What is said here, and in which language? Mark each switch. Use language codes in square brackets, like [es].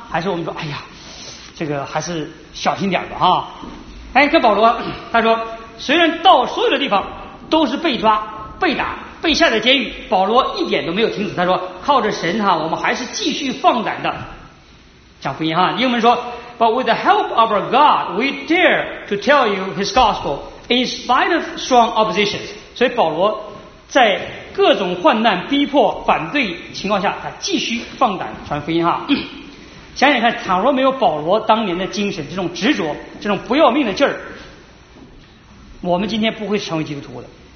[zh] 还是我们说哎呀这个还是小心点吧哈。哎，跟保罗他说虽然到所有的地方都是被抓被打被下在监狱，保罗一点都没有停止，他说靠着神哈，我们还是继续放胆的讲福音哈。英文说 [en] But with the help of our God we dare to tell you his gospel in spite of strong oppositions。 [zh] 所以保罗在各种患难逼迫反对情况下他继续放胆传福音哈。想想看，倘若没有保罗当年的精神，这种执着，这种不要命的劲儿，我们今天不会成为基督徒的。